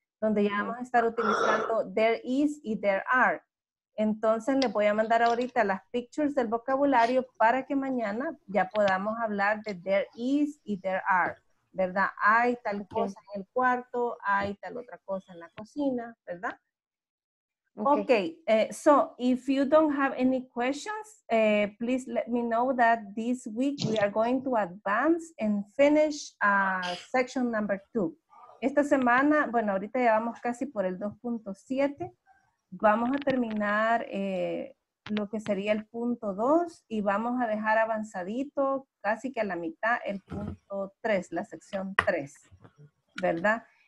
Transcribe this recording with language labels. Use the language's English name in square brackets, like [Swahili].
[Spanish] Donde ya vamos a estar utilizando there is y there are. Entonces, le voy a mandar ahorita las pictures del vocabulario para que mañana ya podamos hablar de there is y there are, ¿verdad? Hay tal cosa en el cuarto, hay tal otra cosa en la cocina, ¿verdad? [English] Ok, so if you don't have any questions, please let me know that this week we are going to advance and finish section number 2. [Spanish] Esta semana, bueno, ahorita ya vamos casi por el 2.7. Vamos a terminar lo que sería el punto 2 y vamos a dejar avanzadito casi que a la mitad el punto 3, la sección 3, ¿verdad?